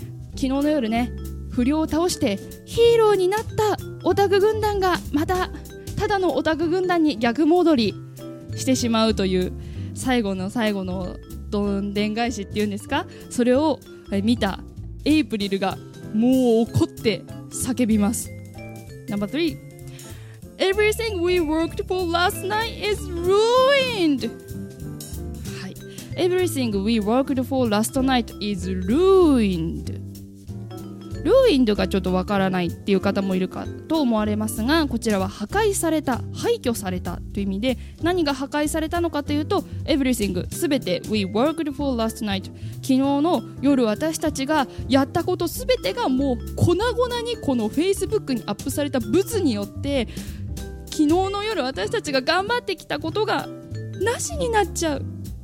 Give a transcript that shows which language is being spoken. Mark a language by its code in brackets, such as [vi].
[ja] 昨日の夜ね不良を倒してヒーローになったオタク軍団がまたただのオタク軍団に逆戻りしてしまうという、最後の最後のどんでん返しっていうんですか、それを見たエイプリルがもう怒って叫びます。 [en] Number three. Everything we worked for last night is ruined. [ja] はい。 [en] Everything we worked for last night is ruined. [ja] ルーインドがちょっとわからないっていう方もいるかと思われますが、こちらは破壊された、廃墟されたという意味で、何が破壊されたのかというと、everything、すべて、 [en] we worked for last night、 [ja] 昨日の夜私たちがやったことすべてがもう粉々にこの Facebook にアップされたブツによって、昨日の夜私たちが頑張ってきたことがなしになっちゃう。